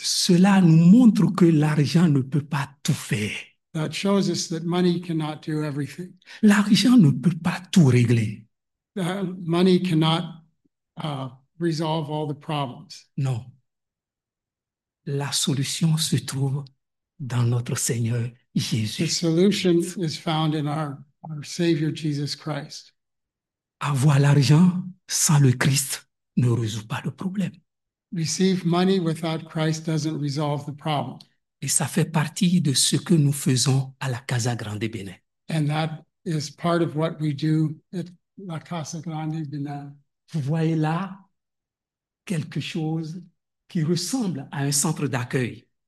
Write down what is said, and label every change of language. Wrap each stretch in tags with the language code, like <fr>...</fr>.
<fr>Cela nous montre que l'argent ne peut pas tout faire.</fr> <en>That shows us that money cannot do everything.</en> <fr>L'argent ne peut pas tout régler.</fr> <en>Money cannot resolve all the problems.</en> <fr>Non. La solution se trouve dans notre Seigneur</fr> <en>The</en> <fr>Jésus.</fr> <en>solution is found in our Savior Jesus Christ.</en> <fr>Avoir l'argent sans le Christ ne résout pas le problème.</fr> <en>Receive money without Christ doesn't resolve the problem.</en> <fr>Et ça fait partie de ce que nous faisons à la Casa Grande Bénin.</fr> <en>And that is part of what we do at La Casa Grande Bénin.</en> <fr>Vous voyez là quelque chose qui ressemble à un centre d'accueil.</fr>